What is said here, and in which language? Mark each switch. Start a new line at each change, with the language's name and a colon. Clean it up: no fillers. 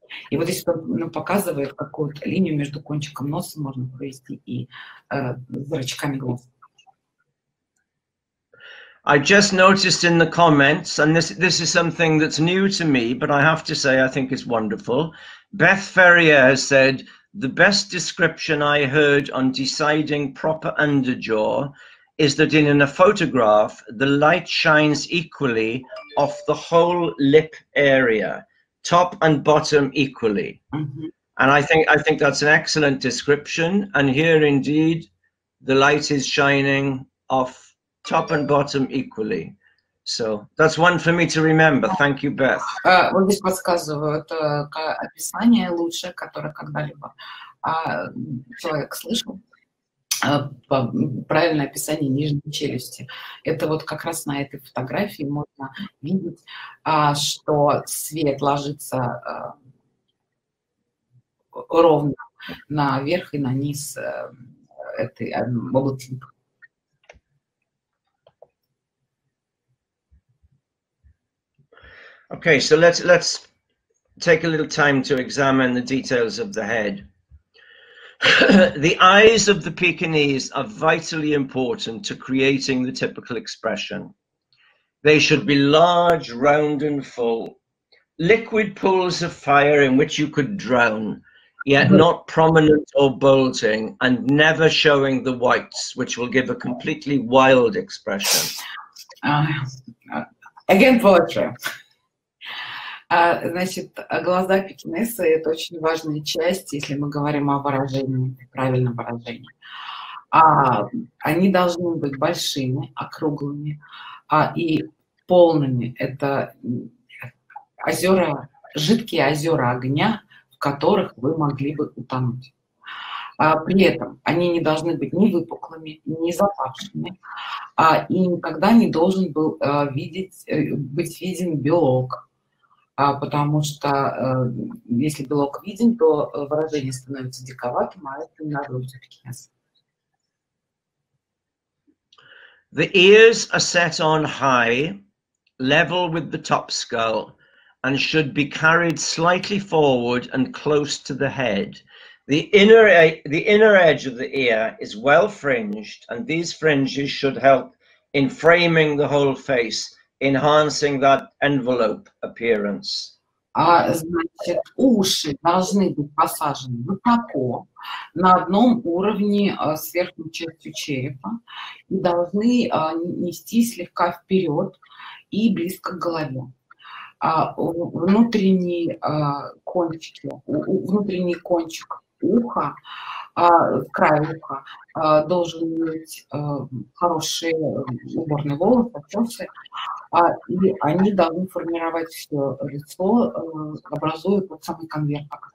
Russian: И вот здесь он показывает какую-то линию между кончиком носа можно провести и зрачками глаз.
English: I just noticed in the comments, and this is something that's new to me, but I have to say I think it's wonderful. Beth Ferrier said, the best description I heard on deciding proper underjaw is that in a photograph, the light shines equally off the whole lip area, top and bottom equally. And I think that's an excellent description. And here indeed, the light is shining off top and bottom equally. So that's one for me to remember. Thank you, Beth.
Russian: Вот здесь подсказывают описание лучшее, которое когда-либо человек слышал. Правильное описание нижней челюсти. Это вот как раз на этой фотографии можно видеть, что свет ложится ровно на верх и на низ этой области.
English: Okay, so let's take a little time to examine the details of the head. The eyes of the Pekinese are vitally important to creating the typical expression. They should be large, round and full, liquid pools of fire in which you could drown, yet not prominent or bulging, and never showing the whites, which will give a completely wild expression. Again, poetry.
Russian: Значит, глаза пекинеса – это очень важная часть, если мы говорим о выражении, правильном выражении. Они должны быть большими, округлыми и полными. Это озера, жидкие озера огня, в которых вы могли бы утонуть. При этом они не должны быть ни выпуклыми, ни запавшими, и никогда не должен был быть виден белок. Потому что если белок виден, то выражение становится диковатым, а это не наружу пекинеса.
English: The ears are set on high, level with the top skull, and should be carried slightly forward and close to the head. The inner edge of the ear is well fringed, and these fringes should help in framing the whole face, enhancing that envelope appearance.
Russian: Значит, уши должны быть посажены высоко, на одном уровне с верхней частью черепа, и должны нести слегка вперед и близко к голове. Внутренний кончик уха, край уха, должен быть хорошие уборные волосы, отчесы, и они должны формировать все лицо, образуя тот самый конверт.